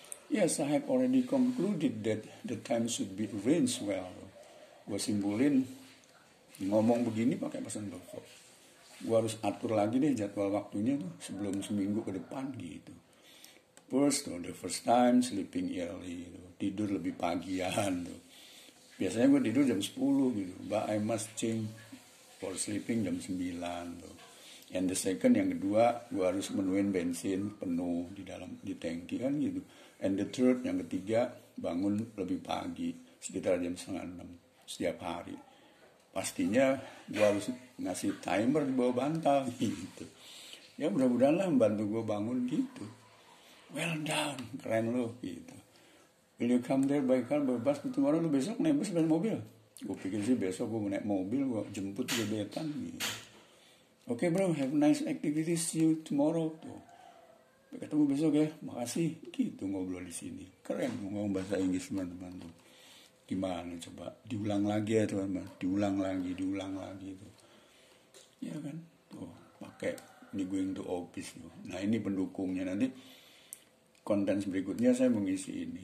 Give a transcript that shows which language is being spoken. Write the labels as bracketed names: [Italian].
[English] Yes, I have already concluded that the time should be arranged well. [Indonesian] Gua simpulin ngomong begini pakai pesan pokok. Gua harus atur lagi deh jadwal waktunya tuh sebelum seminggu ke depan gitu. [English] First, the first time sleeping early, gitu. [Indonesian] Tidur lebih pagian tuh. Biasanya gua tidur jam 10 gitu. [English] But I must change for sleeping [Indonesian] jam 9 tuh. [English] And the second, [Indonesian] yang kedua, gua harus menuin bensin penuh di dalam di tangki kan gitu. [English] And the third, [Indonesian] yang ketiga, bangun lebih pagi sekitar jam 6:30 setiap hari. Pastinya gue harus ngasih timer di bawah bantal gitu. Ya mudah-mudahan lah membantu gue bangun gitu. [English] Well done, [Indonesian] keren lo gitu. [English] Will you come there by car, by bus, tomorrow? [Indonesian] Lo besok naik bus, naik mobil. Gue pikir sih besok gue naik mobil, gue jemput gebetan gitu. [English] Okay bro, have nice activities, see you tomorrow. [Indonesian] Tuh. Ketemu besok ya, makasih. Gitu ngobrol di sini. Keren ngomong bahasa Inggris teman-teman tuh. Gimana coba diulang lagi ya teman-teman, diulang lagi itu ya kan tuh pakai ini [English] going to office [Indonesian] tuh. Nah ini pendukungnya, nanti konten berikutnya saya mengisi ini.